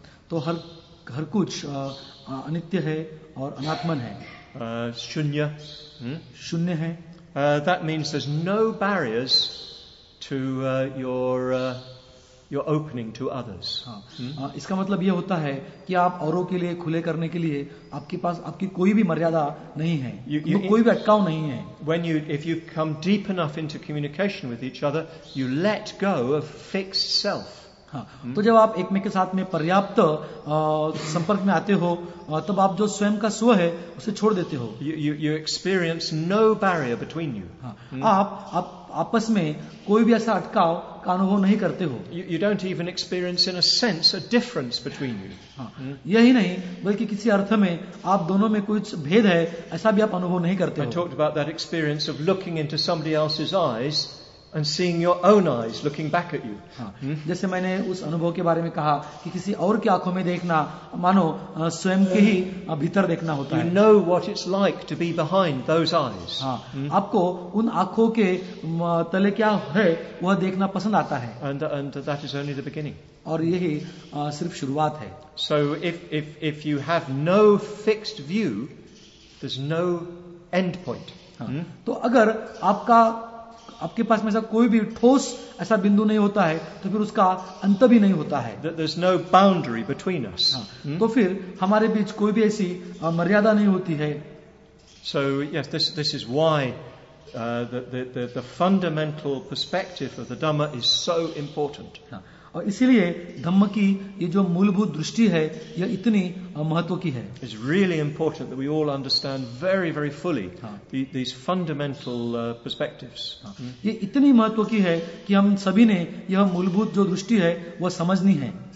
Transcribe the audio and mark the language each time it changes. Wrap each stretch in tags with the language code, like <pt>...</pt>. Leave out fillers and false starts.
<hi>तो हर कुछ अनित्य है और अनात्मन है. शून्य शून्य है.</hi> <en>That means there's no barriers to your opening to others.</en> <hi>इसका मतलब यह होता है कि आप औरों के लिए खुले करने के लिए आपके पास आपकी कोई भी मर्यादा नहीं है, कोई भी अटकाव नहीं है.</hi> <en>When you, if you come deep enough into communication with each other, you let go of fixed self.</en> <hi>तो जब आप एकमेक के साथ में पर्याप्त संपर्क में आते हो तब आप जो स्वयं का स्व है उसे छोड़ देते हो.</hi> <en>You experience no barrier between you.</en> <hi>आप आपस में कोई भी ऐसा अटकाव का अनुभव नहीं करते हो.</hi> <en>You don't even experience in a sense a difference between you.</en> <hi>यही नहीं बल्कि किसी अर्थ में आप दोनों में कुछ भेद है ऐसा भी आप अनुभव नहीं करते हो.</hi> <en>I talked about that experience of looking into somebody else's eyes and seeing your own eyes looking back at you.</en> <hi>जैसे मैंने उस अनुभव के बारे में कहा कि किसी और की आंखों में देखना मानो स्वयं के ही भीतर देखना होता है.</hi> <en>You know what it's like to be behind those eyes.</en> <hi>आपको उन आंखों के तले क्या है वह देखना पसंद आता है.</hi> <en>And that is only the beginning.</en> <hi>और यही सिर्फ शुरुआत है.</hi> <en>So if you have no fixed view, there's no end point.</en> <hi>तो अगर आपका आपके पास में ऐसा कोई भी ठोस ऐसा बिंदु नहीं होता है तो फिर उसका अंत भी नहीं होता है.</hi> <en>There's no boundary between us.</en> <hi>तो फिर हमारे बीच कोई भी ऐसी मर्यादा नहीं होती है.</hi> <en>So yes, this is why the fundamental perspective of the Dhamma is so important.</en> <hi>और इसीलिए धम्म की ये जो मूलभूत दृष्टि है यह इतनी महत्व की है.</hi> <en>It's really important that we all understand very, very fully these fundamental perspectives.</en> <hi>ये इतनी महत्व की है कि हम सभी ने यह मूलभूत जो दृष्टि है वह समझनी है.</hi>